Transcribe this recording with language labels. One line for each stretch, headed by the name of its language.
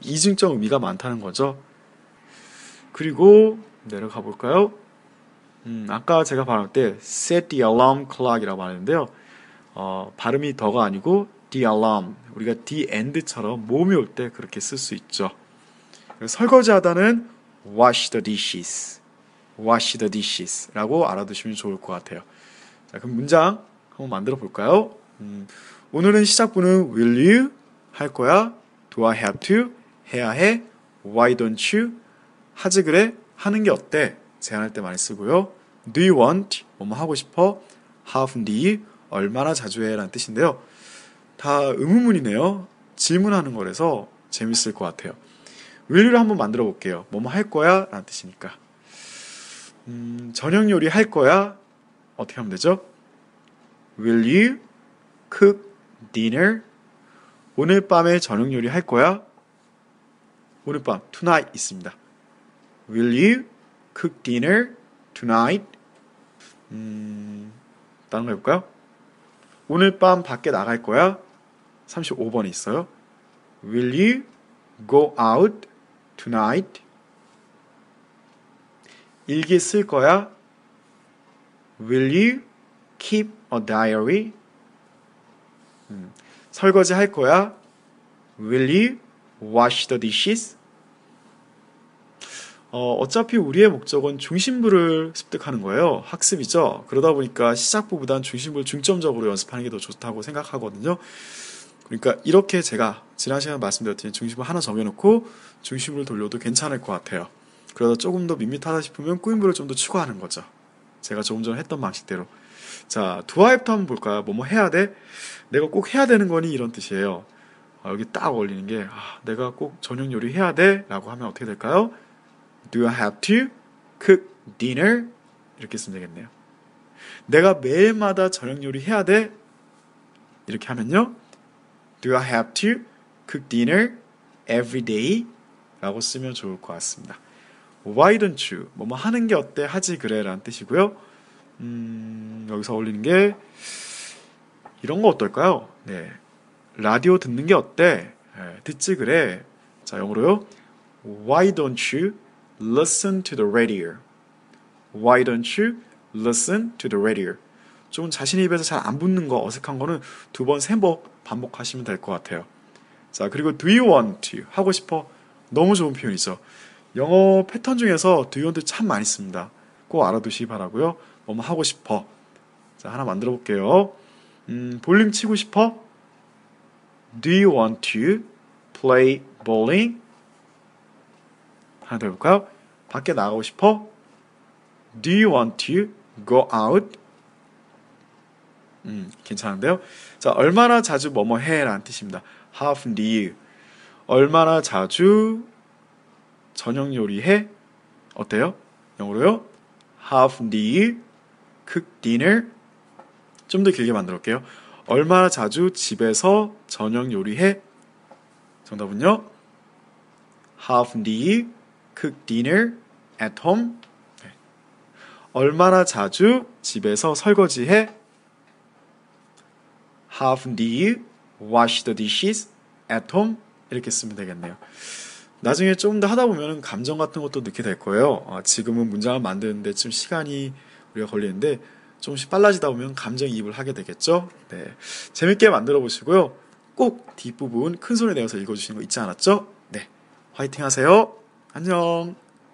Korean: 이중적 의미가 많다는 거죠. 그리고 내려가 볼까요? 아까 제가 발음할 때
English: set the alarm clock
Korean: 이라고 말했는데요. 발음이 더가 아니고
English: the alarm.
Korean: 우리가 the end처럼 몸이 올 때 그렇게 쓸 수 있죠. 설거지하다는
English: wash the dishes. Wash the dishes
Korean: 라고 알아두시면 좋을 것 같아요. 자, 그럼 문장 한번 만들어 볼까요? 오늘은 시작부는
English: Will you?
Korean: 할 거야?
English: Do I have to?
Korean: 해야 해?
English: Why don't you?
Korean: 하지 그래? 하는 게 어때? 제안할 때 많이 쓰고요.
English: Do you want?
Korean: 뭐뭐 하고 싶어?
English: How often do you?
Korean: 얼마나 자주 해? 라는 뜻인데요. 다 의문문이네요. 질문하는 거라서 재밌을 것 같아요.
English: Will you
Korean: 를 한번 만들어 볼게요. 뭐뭐 할 거야? 라는 뜻이니까. 저녁 요리 할 거야? 어떻게 하면 되죠?
English: Will you cook dinner?
Korean: 오늘 밤에 저녁 요리 할 거야? 오늘 밤, tonight 있습니다.
English: Will you cook dinner tonight?
Korean: 다른 거 해볼까요? 오늘 밤 밖에 나갈 거야? 35번에 있어요.
English: Will you go out tonight?
Korean: 일기 쓸 거야?
English: Will you keep a diary?
Korean: 설거지 할 거야?
English: Will you wash the dishes?
Korean: 어차피 우리의 목적은 중심부를 습득하는 거예요. 학습이죠. 그러다 보니까 시작부보단 중심부를 중점적으로 연습하는 게 더 좋다고 생각하거든요. 그러니까 이렇게 제가 지난 시간에 말씀드렸듯이 중심부를 하나 정해놓고 중심부를 돌려도 괜찮을 것 같아요. 그러다 조금 더 밋밋하다 싶으면 꾸임부를 좀 더 추가하는 거죠. 제가 조금 전에 했던 방식대로. 자,
English: do I have to
Korean: 한번 볼까요? 뭐뭐 해야 돼? 내가 꼭 해야 되는 거니? 이런 뜻이에요. 여기 딱 어울리는 게 내가 꼭 저녁 요리 해야 돼? 라고 하면 어떻게 될까요?
English: Do I have to cook dinner?
Korean: 이렇게 쓰면 되겠네요. 내가 매일마다 저녁 요리 해야 돼? 이렇게 하면요.
English: Do I have to cook dinner every day?
Korean: 라고 쓰면 좋을 것 같습니다.
English: Why don't you?
Korean: 뭐뭐 하는 게 어때? 하지 그래? 라는 뜻이고요. 여기서 어울리는 게 이런 거 어떨까요? 네. 라디오 듣는 게 어때? 듣지 그래. 자, 영어로요.
English: Why don't you listen to the radio? Why don't you listen to the radio?
Korean: 조금 자신의 입에서 잘 안 붙는 거, 어색한 거는 두 번, 세 번 반복하시면 될 것 같아요. 자, 그리고
English: do you want to?
Korean: 하고 싶어? 너무 좋은 표현이죠. 영어 패턴 중에서
English: do you want to
Korean: 참 많이 씁니다. 꼭 알아두시기 바라고요. 너무 하고 싶어. 자, 하나 만들어 볼게요. 볼링 치고 싶어?
English: Do you want to play bowling?
Korean: 하나 더 볼까요? 밖에 나가고 싶어?
English: Do you want to go out?
Korean: 괜찮은데요? 자, 얼마나 자주 뭐뭐 해? 라는 뜻입니다.
English: How often do you?
Korean: 얼마나 자주 저녁 요리해? 어때요? 영어로요?
English: How often do you cook dinner?
Korean: 좀 더 길게 만들어볼게요. 얼마나 자주 집에서 저녁 요리해? 정답은요?
English: How often do you cook dinner at home?
Korean: 네. 얼마나 자주 집에서 설거지해?
English: How often do you wash the dishes at home?
Korean: 이렇게 쓰면 되겠네요. 나중에 조금 더 하다 보면 감정 같은 것도 느끼게 될 거예요. 지금은 문장을 만드는데 좀 시간이 우리가 걸리는데 조금씩 빨라지다 보면 감정이입을 하게 되겠죠. 네, 재밌게 만들어 보시고요. 꼭 뒷부분 큰 소리 내어서 읽어주시는 거 잊지 않았죠? 네, 화이팅 하세요. 안녕.